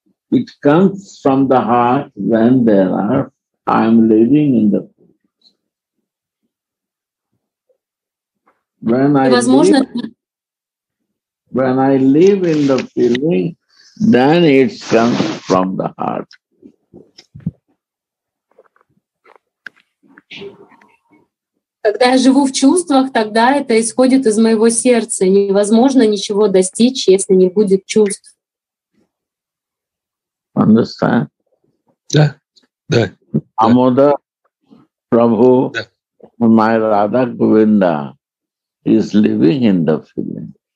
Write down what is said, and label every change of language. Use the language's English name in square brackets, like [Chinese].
[English] It comes from the heart when there are I'm living in the feeling. When I live in the feeling, then it comes from the heart. [Russian] Когда я живу в чувствах, тогда это исходит из моего сердца. Невозможно ничего достичь, если не будет чувств. [English] Understand? [Russian] Да. [English] Amoda Prabhu, my Radha Govinda, is living in the feeling.